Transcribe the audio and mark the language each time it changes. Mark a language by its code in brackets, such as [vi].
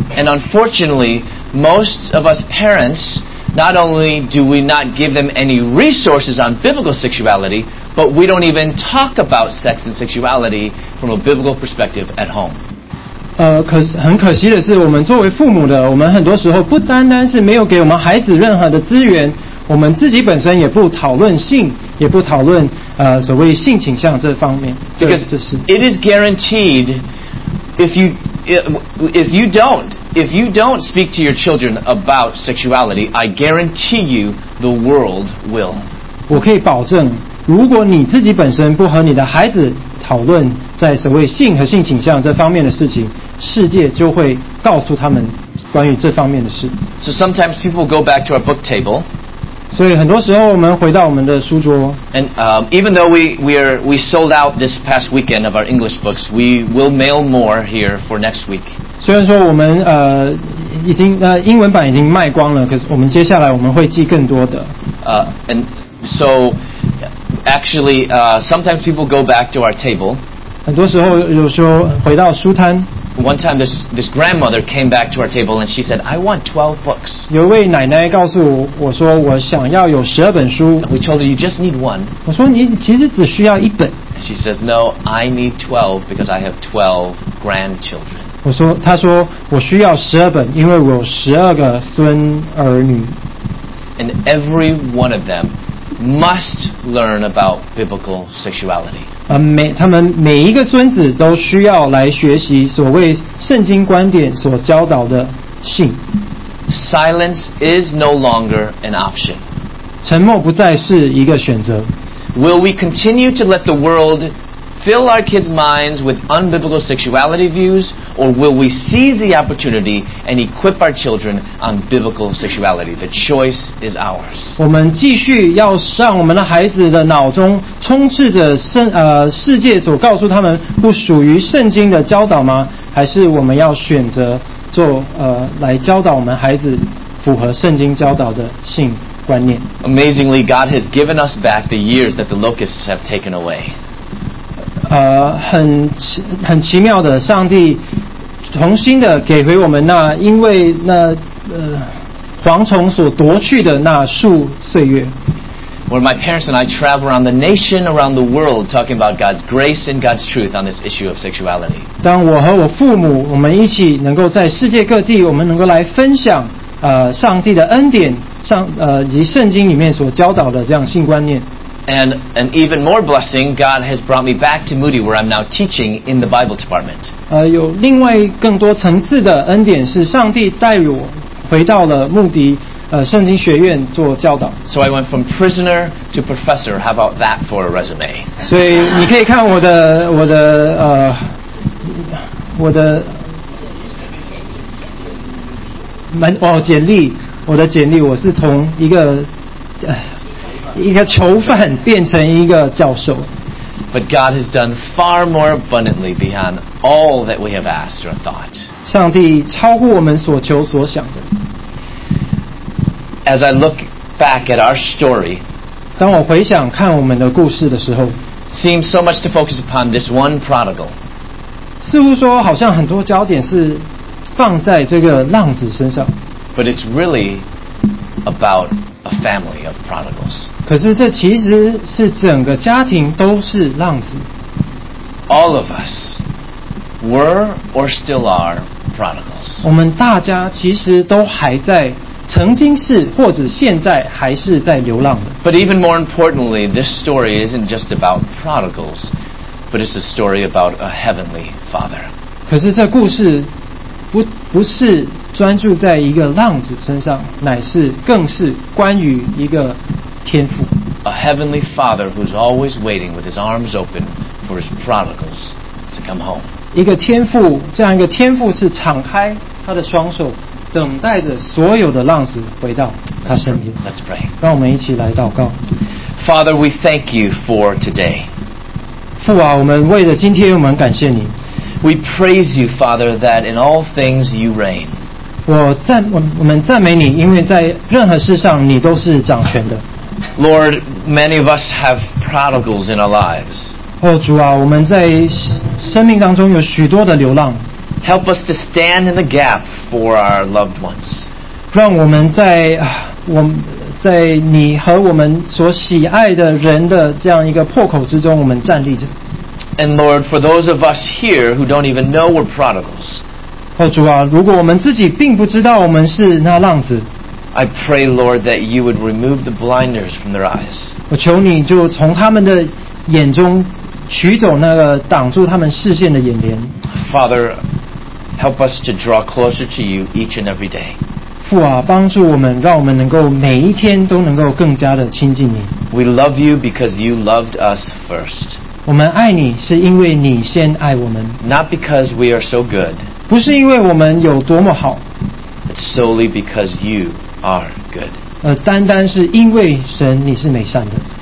[en] And unfortunately, most of us parents, not only do we not give them any resources on biblical sexuality, but we don't even talk about sex and sexuality from a biblical perspective at home. [zh] 很可惜的是，我们作为父母的，我们很多时候不单单是没有给我们孩子任何的资源，我们自己本身也不讨论性，也不讨论所谓性倾向这方面。 [en] Because it is guaranteed if you don't speak to your children about sexuality, I guarantee you the world will. [zh] 我可以保证，如果你自己本身不和你的孩子讨论在所谓性和性倾向这方面的事情，世界就会告诉他们关于这方面的事。 [en] So sometimes people go back to our book table. [zh] 所以很多时候我们回到我们的书桌。 [en] And even though we sold out this past weekend of our English books, we will mail more here for next week. [zh] 虽然说我们已经英文版已经卖光了，可是我们接下来我们会寄更多的。 [en] And so actually, sometimes people go back to our table. [zh] 很多时候有时候回到书摊。 [en] One time, this grandmother came back to our table and she said, "I want 12 books." [zh] 有一位奶奶告诉我说，我想要有十二本书。 [en] We told her you just need one. [zh] 我说你其实只需要一本。 [en] She says, "No, I need 12 because I have 12 grandchildren." [zh] 我说，她说我需要十二本，因为我有十二个孙儿女。 [en] And every one of them must learn about biblical sexuality. [zh] 他们每一个孙子都需要来学习所谓圣经观点所教导的性。 [en] Silence is no longer an option. [zh] 沉默不再是一个选择。 [en] Will we continue to let the world fill our kids' minds with unbiblical sexuality views, or will we seize the opportunity and equip our children on biblical sexuality? The choice is ours. [zh] 我们继续要让我们的孩子的脑中充斥着世界所告诉他们不属于圣经的教导吗？还是我们要选择做来教导我们孩子符合圣经教导的性观念？ [en] Amazingly, God has given us back the years that the locusts have taken away. [zh] 很奇妙的，上帝重新的给回我们那因为那蝗虫所夺去的那数岁月。 [en] Where my parents and I travel around the nation, around the world, talking about God's grace and God's truth on this issue of sexuality. [zh] 当我和我父母，我们一起能够在世界各地，我们能够来分享上帝的恩典，以及圣经里面所教导的这样性观念。 [en] And even more blessing, God has brought me back to Moody, where I'm now teaching in the Bible department. [zh] 有另外更多层次的恩典是上帝带我回到了穆迪圣经学院做教导。 [en] So I went from prisoner to professor. How about that for a resume? [zh] 所以你可以看我的简历，我是从一个囚犯变成一个教授。 [en] But God has done far more abundantly beyond all that we have asked or thought. [zh] 上帝超乎我们所求所想的。 [en] As I look back at our story, [zh] 当我回想看我们的故事的时候， [en] seems so much to focus upon this one prodigal. [zh] 似乎说好像很多焦点是放在这个浪子身上。 [en] But it's really about a family of prodigals. [zh] 可是这其实是整个家庭都是浪子。 [en] All of us were or still are prodigals. [zh] 我们大家其实都还在曾经是或者现在还是在流浪的。 [en] But even more importantly, this story isn't just about prodigals, but it's a story about a heavenly father. [zh] 可是这故事不是专注在一个浪子身上，乃是更是关于一个天父。 [en] A heavenly father who's always waiting with his arms open for his prodigals to come home. [zh] 一个天父，这样一个天父是敞开他的双手，等待着所有的浪子回到他身边。 [en] Let's pray. [zh] 让我们一起来祷告。 [en] Father, we thank you for today. [zh] 父啊，我们为了今天，我们感谢你。 [en] We praise you, Father, that in all things you reign. [zh] 我们赞美你，因为在任何事上你都是掌权的。 [en] Lord, many of us have prodigals in our lives. [zh] 哦，主啊，我们在生命当中有许多的流浪。 [en] Help us to stand in the gap for our loved ones. [zh] 让我们在你和我们所喜爱的人的这样一个破口之中，我们站立着。 [en] And Lord, for those of us here who don't even know we're prodigals, [zh] 哦主啊，如果我们自己并不知道我们是那浪子， [en] I pray, Lord, that you would remove the blinders from their eyes. [zh] 我求你就从他们的眼中取走那个挡住他们视线的眼帘。 [en] Father, help us to draw closer to you each and every day. [zh] 父啊，帮助我们，让我们能够每一天都能够更加的亲近你。 [en] We love you because you loved us first. [zh] 我们爱你是因为你先爱我们。 [en] Not because we are so good. [zh] 不是因为我们有多么好。 [en] Solely because you are good. [zh] 单单是因为神你是美善的。